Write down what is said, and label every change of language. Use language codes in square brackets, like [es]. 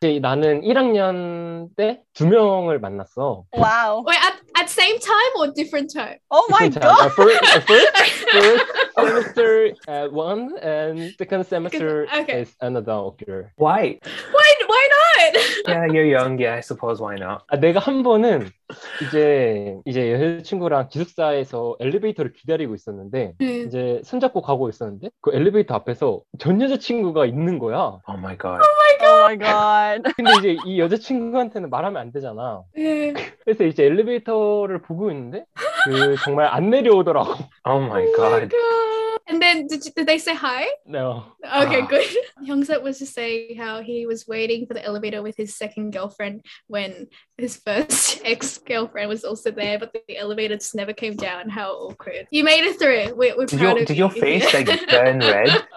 [ko] 나는 1학년 때 두 명을 만났어. [en] Wow. Wait, at same time or different time? Oh my different god. First semester at one and second semester is another girl. Why? Why not? Yeah, you're young. Yeah, I suppose why not. [ko] 내가 한 번은 이제 여자친구랑 기숙사에서 엘리베이터를 기다리고 있었는데 이제 손잡고 가고 있었는데 그 엘리베이터 앞에서 전 여자친구가 있는 거야. [en] Oh my god. Oh my god. Oh my god. [ko] 근데 이제 이 여자친구한테는 말하면 안 되잖아. 그래서 이제 엘리베이터를 보고 있는데 그 정말 안 내려오더라고. [en] Oh my god. And then did they say hi? No. Okay, good. HyungSeop was just saying how he was waiting for the elevator with his second girlfriend when his first ex-girlfriend was also there, but the elevator just never came down. How awkward. You made it through. We're proud of you. Did your face like burn red?